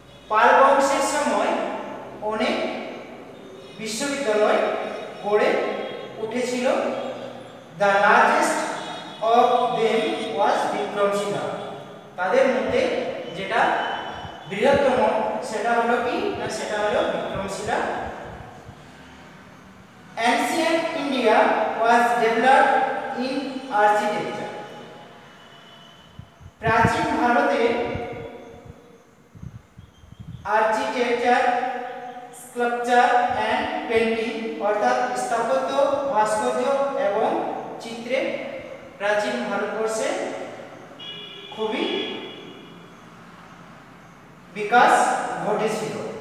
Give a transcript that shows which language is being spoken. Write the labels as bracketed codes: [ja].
[bn] পার বংশের সময় অনেক বিশ্ববিদ্যালয় গড়ে উঠেছিল. [en] The largest of them was Vikramshila. [bn] তাদের মধ্যে যেটা বৃহত্তম সেটা হলো কি না, সেটা হলো Vikramshila. [en] Ancient India was developed in architecture. [bn] প্রাচীন ভারতে [en] architecture, sculpture and painting, [bn] অর্থাৎ স্থাপত্য, ভাস্কর্য এবং চিত্রে প্রাচীন ভারতবর্ষে খুবই বিকাশ ঘটেছিল.